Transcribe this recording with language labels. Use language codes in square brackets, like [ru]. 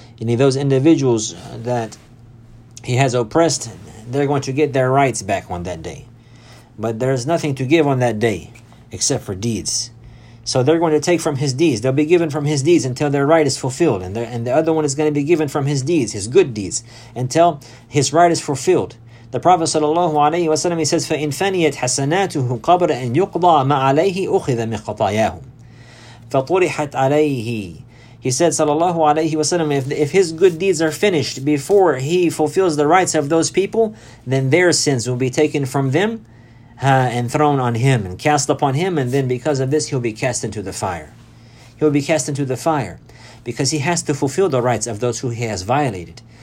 [en] Any of those individuals that he has oppressed, they're going to get their rights back on that day. But there's nothing to give on that day except for deeds. So they're going to take from his deeds. They'll be given from his deeds until their right is fulfilled. And the other one is going to be given from his deeds, his good deeds, until his right is fulfilled. The Prophet sallallahu alayhi wa sallam, he says, [ar] فَإِنْ فَنِيَتْ حَسَنَاتُهُ قَبْرَ أَنْ يُقْضَى مَا عَلَيْهِ أُخِذَ مِنْ خَطَايَاهُمْ فَطُرِحَتْ عَلَيْهِ. [en] He said sallallahu alayhi wa sallam, if his good deeds are finished before he fulfills the rights of those people, then their sins will be taken from them and thrown on him and cast upon him, and then because of this he'll be cast into the fire. He'll be cast into the fire because he has to fulfill the rights of those who he has violated.